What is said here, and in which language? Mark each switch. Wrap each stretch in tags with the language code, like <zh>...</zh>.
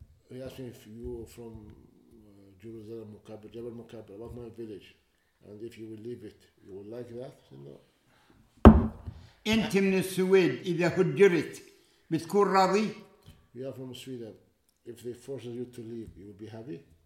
<en>He asked me if you were from Jerusalem, Mukabir, Jabal Mukabir, about my village, and if you will leave it, you will like that? No.</en> <ar>أنت من السويد إذا هجرت بتكون راضي؟</ar> <en>You are from Sweden. If they force you to leave, you will be happy?</en>